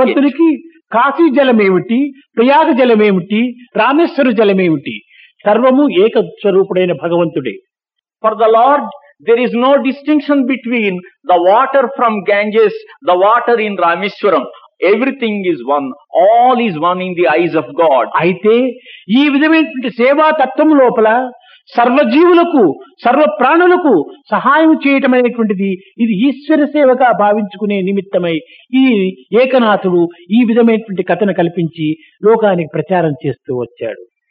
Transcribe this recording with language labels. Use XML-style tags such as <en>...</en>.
<te>భగవంతునికి కాశీ జలం ఏమిటి, ప్రయాగ జలం ఏమిటి, రామేశ్వర జలం ఏమిటి? సర్వము ఏక స్వరూపుడైన భగవంతుడే.</te> <en>For the Lord there is no distinction between the water from Ganges, the water in Rameswaram. Everything is one. All is one in the eyes of God.</en> <te>అయితే ఈ విధమైనటువంటి సేవా తత్వం లోపల సర్వజీవులకు సర్వ ప్రాణులకు సహాయం చేయటం అనేటువంటిది ఇది ఈశ్వర సేవగా భావించుకునే నిమిత్తమై ఈ ఏకనాథుడు ఈ విధమైనటువంటి కథను కల్పించి లోకానికి ప్రచారం చేస్తూ వచ్చాడు.</te>